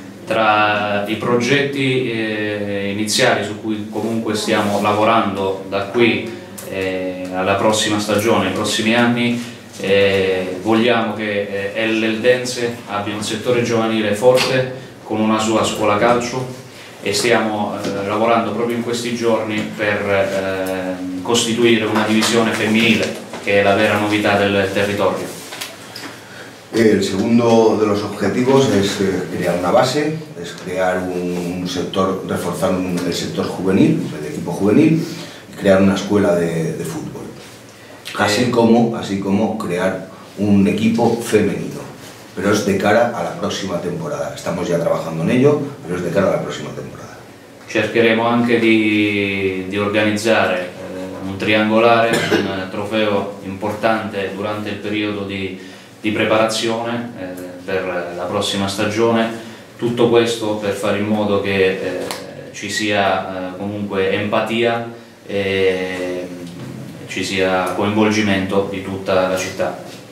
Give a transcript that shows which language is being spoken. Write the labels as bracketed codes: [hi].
[it] Tra i progetti iniziali su cui comunque stiamo lavorando da qui alla prossima stagione, ai prossimi anni, vogliamo che l'Eldense abbia un settore giovanile forte con una sua scuola calcio e stiamo lavorando proprio in questi giorni per costituire una divisione femminile, [es] que es la vera novedad del territorio. El segundo de los objetivos es crear una base, es crear un sector, reforzar el sector juvenil, el equipo juvenil, y crear una escuela de fútbol, así como crear un equipo femenino, pero es de cara a la próxima temporada. Estamos ya trabajando en ello, pero es de cara a la próxima temporada. [it] Cercheremos anche di organizzare un triangolare, un trofeo importante durante il periodo di preparazione per la prossima stagione. Tutto questo per fare in modo che ci sia comunque empatia e ci sia coinvolgimento di tutta la città.